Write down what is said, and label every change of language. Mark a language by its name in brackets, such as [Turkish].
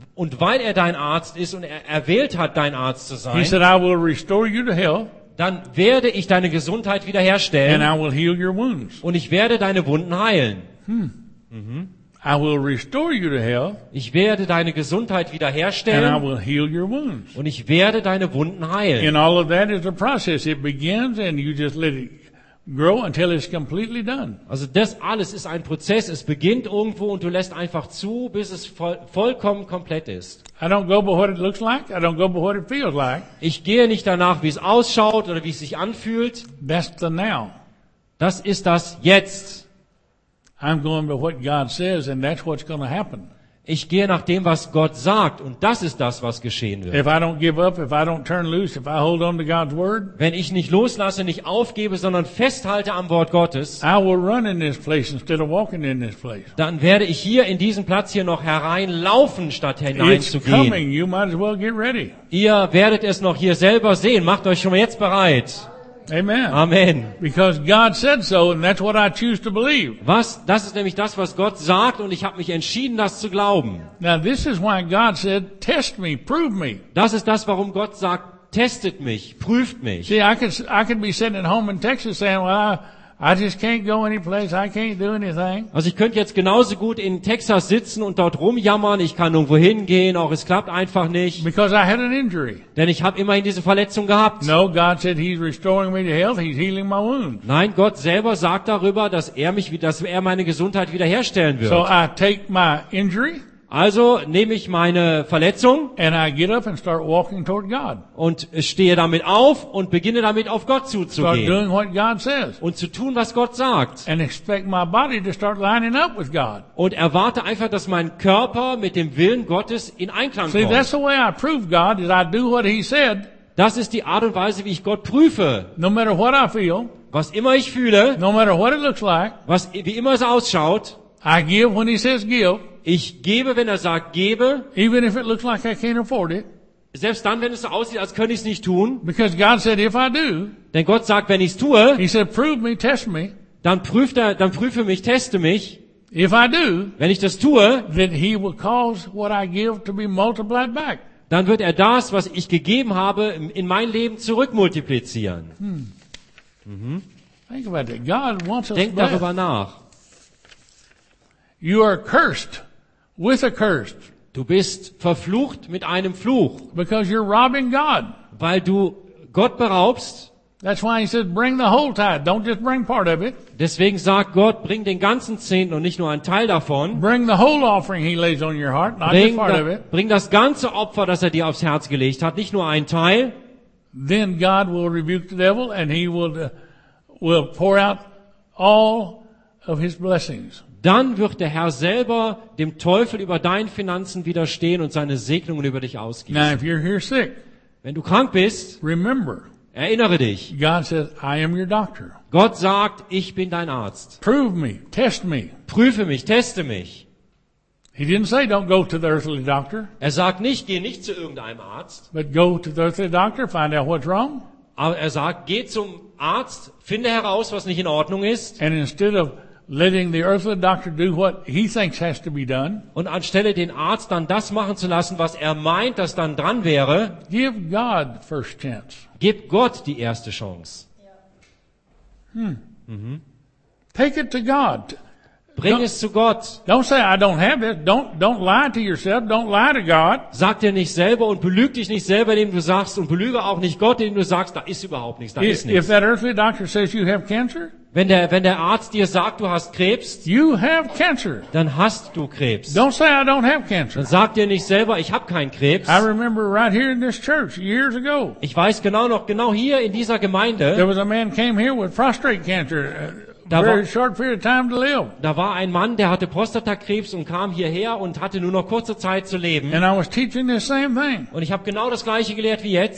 [German] Und weil er dein Arzt ist und er erwählt hat, dein Arzt zu sein, [English] he said, I will restore you to health. [German] Dann werde ich deine Gesundheit wiederherstellen. [English] And I will heal your wounds. [German] Und ich werde deine Wunden heilen. [English] I will restore you to health. [German] Ich werde deine Gesundheit wiederherstellen. [English] And I will heal your wounds. [German] Und ich werde deine Wunden heilen. [English] And all of that is a process. It begins and you just let it grow until it's completely done. [German] Also das alles ist ein Prozess. Es beginnt irgendwo und du lässt einfach zu, bis es vollkommen komplett ist. [English] I don't go by what it looks like. I don't go by what it feels like. [German] Ich gehe nicht danach, wie es ausschaut oder wie es sich anfühlt. [English] That's the now. [German] Das ist das jetzt. [English] I'm going by what God says, and that's what's going to happen. [German] Ich gehe nach dem, was Gott sagt, und das ist das, was geschehen wird. [English] If I don't give up, if I don't turn loose, if I hold on to God's word, [German] wenn ich nicht loslasse, nicht aufgebe, sondern festhalte am Wort Gottes, [English] I will run in this place instead of walking in this place. [German] Dann werde ich hier in diesen Platz hier noch hereinlaufen, statt hineinzugehen. [English] It's coming. You might as well get ready. [German] Ihr werdet es noch hier selber sehen. Macht euch schon jetzt bereit. [English] Amen. [German] Amen. [English] Because God said so, and that's what I choose to believe. [German] Was? Das ist nämlich das, was Gott sagt, und ich habe mich entschieden, das zu glauben. [English] Now this is why God said, "Test me, prove me." [German] Das ist das, warum Gott sagt, testet mich, prüft mich. [English] See, I could be sitting at home in Texas saying, "Well, I just can't go any place. I can't do anything." [German] Also ich könnte jetzt genauso gut in Texas sitzen und dort rumjammern. Ich kann nirgendwo hingehen. Auch es klappt einfach nicht. [English] Because I had an injury. [German] Denn ich habe immerhin diese Verletzung gehabt. [English] No, God said He's restoring me to health. He's healing my wounds. [German] Nein, Gott selber sagt darüber, dass er meine Gesundheit wiederherstellen wird. [English] So I take my injury. [German] Also nehme ich meine Verletzung [English] and I get up and start walking toward God. [German] Und stehe damit auf und beginne damit, auf Gott zuzugehen. [English] Start doing what God says. [German] Und zu tun, was Gott sagt. [English] And expect my body to start lining up with God. [German] Und erwarte einfach, dass mein Körper mit dem Willen Gottes in Einklang [English] See, [German] kommt. [English] See, that's the way I prove God, is I do what He said. [German] Das ist die Art und Weise, wie ich Gott prüfe. [English] No matter what I feel, [German] was immer ich fühle, [English] no matter what it looks like, [German] was wie immer es ausschaut, [English] I give when He says give. [German] Ich gebe, wenn er sagt, gebe. [English] Even if it looks like I can't afford it. [German] Selbst dann, wenn es so aussieht, als könnte ich es nicht tun. [English] Because God said, if I do. [German] Denn Gott sagt, wenn ich es tue. [English] He said, prove me, test me. [German] Dann prüfe mich, teste mich. [English] If I do. [German] Wenn ich das tue. [English] Then He will cause what I give to be multiplied back. [German] Dann wird er das, was ich gegeben habe, in mein Leben zurückmultiplizieren. [English] Think about that. God wants us. [German] Denk darüber nach. [English] You are cursed with a curse. [German] Du bist verflucht mit einem Fluch. [English] Because you're robbing God. [German] Weil du Gott beraubst. [English] That's why He said, bring the whole tithe. Don't just bring part of it. [German] Deswegen sagt Gott, bring den ganzen Zehnten und nicht nur einen Teil davon. [English] Bring the whole offering He lays on your heart, not just part of it. [German] Bring das ganze Opfer, das er dir aufs Herz gelegt hat, nicht nur einen Teil. [English] Then God will rebuke the devil and He will pour out all of His blessings. [German] Dann wird der Herr selber dem Teufel über deinen Finanzen widerstehen und seine Segnungen über dich ausgießen. [English] Now, if you're here sick, [German] wenn du krank bist, [English] remember, [German] erinnere dich. [English] God says, I am your doctor. [German] Gott sagt, ich bin dein Arzt. [English] Prove me, test me. [German] Prüfe mich, teste mich. [English] He didn't say, don't go to the earthly doctor. [German] Er sagt nicht, geh nicht zu irgendeinem Arzt. [English] But go to the earthly doctor, find out what's wrong. [German] Aber er sagt, geh zum Arzt, finde heraus, was nicht in Ordnung ist. [English] And instead of letting the earthly doctor do what he thinks has to be done. [German] Und anstelle den Arzt dann das machen zu lassen, was er meint, dass dann dran wäre. [English] Give God first chance. [German] Gib Gott die erste Chance. [English] Take it to God. [German] Bring es zu Gott. [English] Don't say I don't have it. Don't lie to yourself. Don't lie to God. [German] Sag dir nicht selber und belüg dich nicht selber, indem du sagst und belüge auch nicht Gott, indem du sagst, da ist überhaupt nichts, da ist nichts. [English] If that earthly doctor says you have cancer, [German] wenn der Arzt dir sagt, du hast Krebs, [English] you have cancer. [German] Dann hast du Krebs. [English] Don't say I don't have cancer. [German] Dann sag dir nicht selber, ich habe keinen Krebs. [English] I remember right here in this church years ago. [German] Ich weiß genau hier in dieser Gemeinde. [English] There was a man came here with prostate cancer. [German] Da war ein Mann, der hatte Prostatakrebs und kam hierher und hatte nur noch kurze Zeit zu leben. [English] And I was teaching the same thing. [German] Und ich habe genau das gleiche gelehrt wie jetzt.